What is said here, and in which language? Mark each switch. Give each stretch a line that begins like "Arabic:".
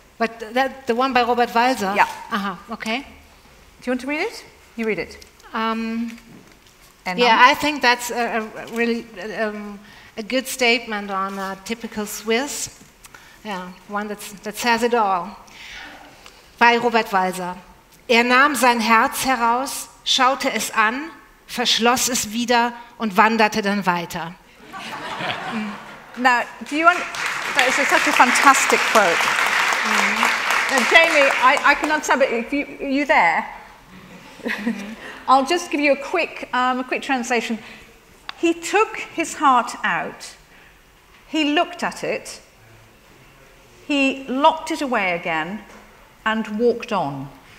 English: But the one by Robert Walser? Yeah. Okay. Do you want to read it? You read it. Yeah, I think that's a really a good statement on a typical Swiss. Yeah, one that says it all.
German: Bei
English: Robert Walser.
German: Er nahm sein Herz heraus, schaute es an, verschloss es wieder und wanderte dann weiter.
English: Now, do you want... That is such a fantastic quote. Now, Jamie, I can understand, but if you there? I'll just give you a quick translation. He took his heart out. He looked at it. He locked it away again and walked on.